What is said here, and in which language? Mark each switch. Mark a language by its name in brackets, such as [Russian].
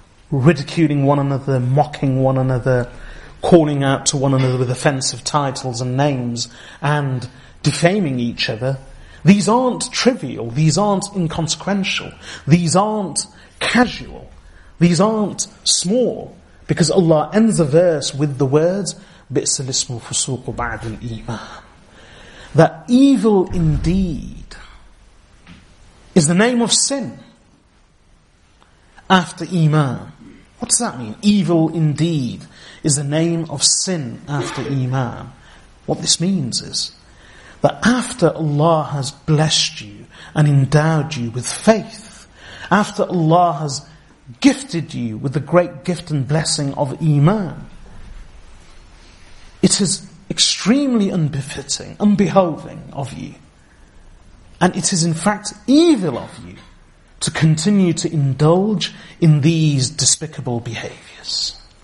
[English] Ridiculing one another, mocking one another, calling out to one another with offensive titles and names, and defaming each other. These aren't trivial, these aren't inconsequential, these aren't casual. These aren't small, because Allah ends the verse with the words, [Arabic] بئس الاسم فسوق بعد الإيمان. [English] That evil indeed is the name of sin after Iman. What does that mean? Evil indeed is the name of sin after Iman. What this means is that after Allah has blessed you and endowed you with faith, after Allah has gifted you with the great gift and blessing of Iman, it is extremely unbefitting, unbehoving of you, and it is in fact evil of you to continue to indulge in these despicable behaviours.